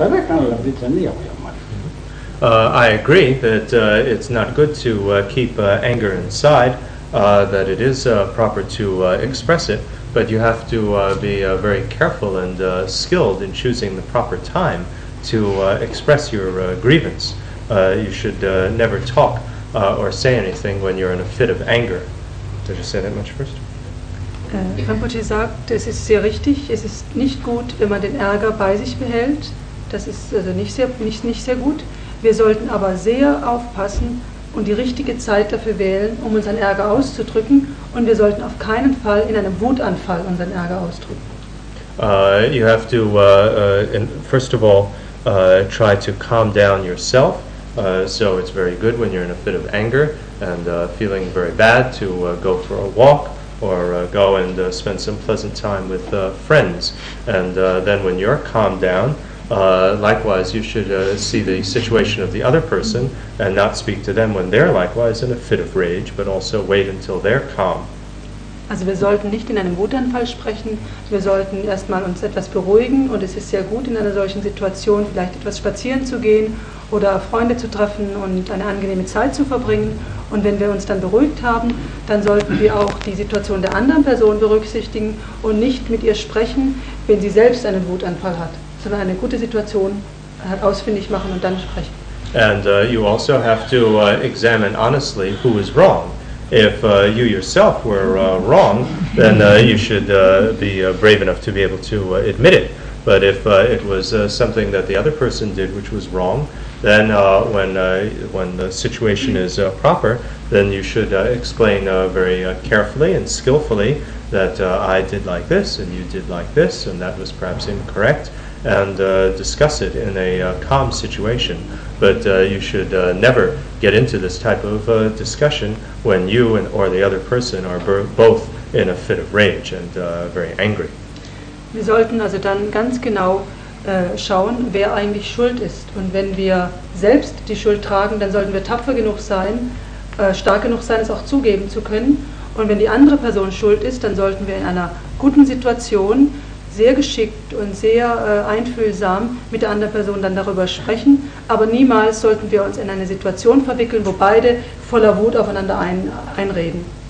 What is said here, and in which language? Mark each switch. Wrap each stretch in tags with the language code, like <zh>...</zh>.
<en>I agree that it's not good to keep anger inside, that it is proper to express it, but you have to be very careful and skilled in choosing the proper time to express your grievance. You should never talk or say anything when you're in a fit of anger. Did you say that much first?</en> <de>Rinpoche sagt, es ist sehr richtig, es ist nicht gut, wenn man den Ärger bei sich behält. Das ist also nicht sehr gut. Wir sollten aber sehr aufpassen und die richtige Zeit dafür wählen, um unseren Ärger auszudrücken. Und wir sollten auf keinen Fall in einem Wutanfall unseren Ärger ausdrücken.</de> <en>You have to, first of all, try to calm down yourself. So it's very good when you're in a fit of anger and feeling very bad to go for a walk or go and spend some pleasant time with friends. And then when you're calmed down, likewise, you should see the situation of the other person and not speak to them when they're likewise in a fit of rage, but also wait until they're calm.</en> <de>Also wir sollten nicht in einem Wutanfall sprechen, wir sollten erstmal uns etwas beruhigen und es ist sehr gut in einer solchen Situation vielleicht etwas spazieren zu gehen oder Freunde zu treffen und eine angenehme Zeit zu verbringen. Und wenn wir uns dann beruhigt haben, dann sollten wir auch die Situation der anderen Person berücksichtigen und nicht mit ihr sprechen, wenn sie selbst einen Wutanfall hat, sondern eine gute Situation ausfindig machen und dann sprechen.</de> <en>And you also have to examine honestly who is wrong. If you yourself were wrong, then you should be brave enough to be able to admit it. But if it was something that the other person did which was wrong, then when the situation is proper, then you should explain very carefully and skillfully that I did like this and you did like this and that was perhaps incorrect, and discuss it in a calm situation. But you should never get into this type of discussion when you and or the other person are both in a fit of rage and very angry.</en> <de>Wir sollten also dann ganz genau schauen, wer eigentlich schuld ist. Und wenn wir selbst die Schuld tragen, dann sollten wir tapfer genug sein, stark genug sein, es auch zugeben zu können. Und wenn die andere Person schuld ist, dann sollten wir in einer guten Situation sehr geschickt und sehr einfühlsam mit der anderen Person dann darüber sprechen, aber niemals sollten wir uns in eine Situation verwickeln, wo beide voller Wut aufeinander einreden.</de>